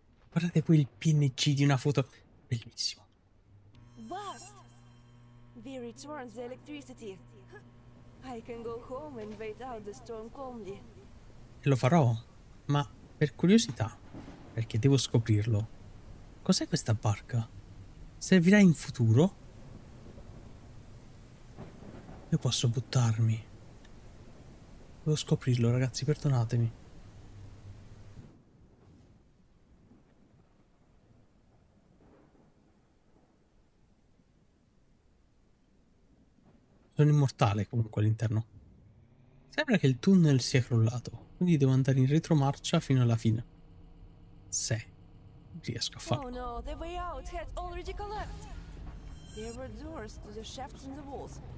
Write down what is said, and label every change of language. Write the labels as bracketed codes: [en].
[it] Guardate qui il PNG di una foto. Bellissimo. Bust! [en] We return the electricity. I can go home and wait out the storm calmly. [it] E lo farò, ma per curiosità, perché devo scoprirlo. Cos'è questa barca? Servirà in futuro? Io posso buttarmi. Devo scoprirlo, ragazzi, perdonatemi. Sono immortale comunque all'interno. Sembra che il tunnel sia crollato, quindi devo andare in retromarcia fino alla fine. Se riesco a farlo. [en] Oh no, the way out had already collapsed. There were doors to the shafts in the walls.